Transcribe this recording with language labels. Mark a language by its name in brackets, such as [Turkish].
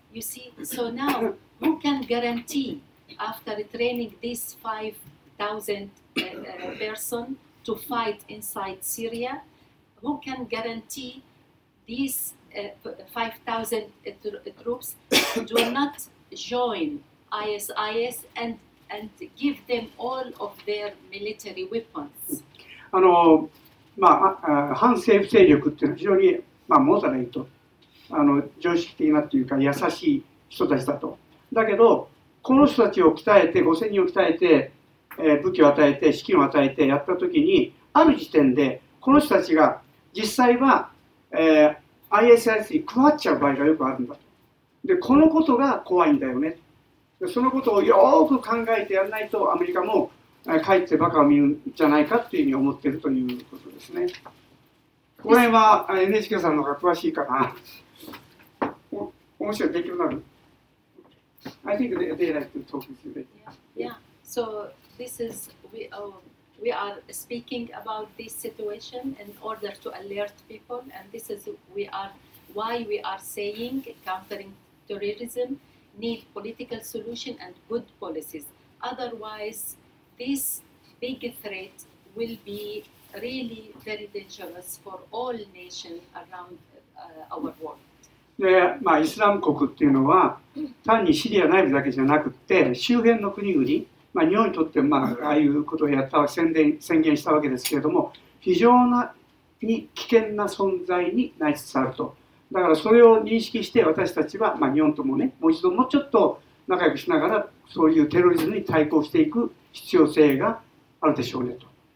[English] You see, so now who can guarantee after training this 5,000 person to fight inside Syria, who can guarantee these 5,000 troops do not join ISIS and give them all of their military weapons? [Japanese] 反政府勢力っていうのは非常に、まあ、モザレイト、常識的なというか優しい人たちだと。だけど、この人たちを鍛えて、五千人を鍛えて、武器を与えて、資金を与えてやったときに、ある時点で、この人たちが実際は、ISIS に加わっちゃう場合がよくあるんだと。で、このことが怖いんだよね。そのことをよく考えてやらないと、アメリカも、かえってバカを見るんじゃないかというふうに思っているということですね。この辺は NHK さんの方が詳しいかな。面白い、できるなる。 [English] I think they like to talk with you. Yeah, so this is, we are speaking about this situation in order to alert people, and this is we are, why we are saying countering terrorism need political solution and good policies. Otherwise, this big threat will be really very dangerous for all nations around our world. [Japanese] でまあ、イスラム国っていうのは単にシリア内部だけじゃなくて周辺の国々、まあ、日本にとって、まあ、ああいうことをやった宣言したわけですけれども非常に危険な存在になりつつあると。だからそれを認識して私たちは、まあ、日本ともねもう一度もうちょっと仲良くしながらそういうテロリズムに対抗していく必要性があるでしょうねと。